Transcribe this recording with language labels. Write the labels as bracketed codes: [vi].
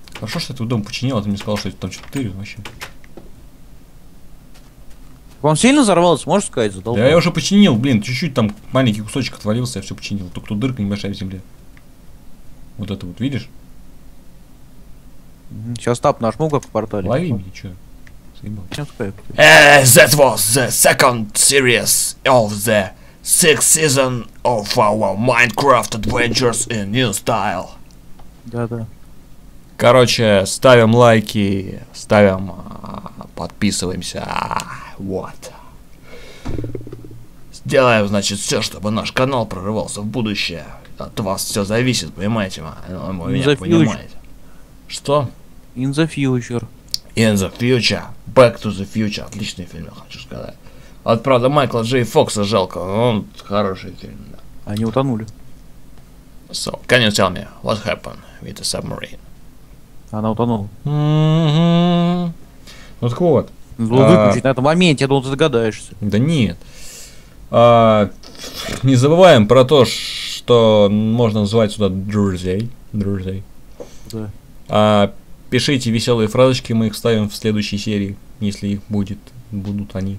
[ru] Хорошо, что ты дом починил, а ты мне сказал, что это там что-то тырит вообще. Он сильно взорвался, можешь сказать, задолбал? Да я уже починил, блин, чуть-чуть там маленький кусочек отвалился, я все починил. Только тут дырка небольшая в земле. Вот это вот, видишь? Сейчас тап нажму, как в портале. Лови меня, что? [en] That was the second series of the sixth season of our Minecraft Adventures in New Style. [ru] Да-да. Короче, ставим лайки, ставим, подписываемся, вот. Сделаем, значит, все, чтобы наш канал прорывался в будущее. От вас все зависит, понимаете, меня понимаете. Что? [en] In the future. In the future. Back to the future. [ru] Отличный фильм, я хочу сказать. Вот правда, Майкла Джей Фокса жалко, он хороший фильм, да. Они утонули. [en] So, can you tell me what happened with the submarine? [ru] Она утонула. Ну так вот. Выключить на этом моменте, я думал, ты догадаешься. Да нет. Не забываем про то, что можно называть сюда друзей. Друзей. Да. Пишите веселые фразочки, мы их ставим в следующей серии, если их будет, будут они.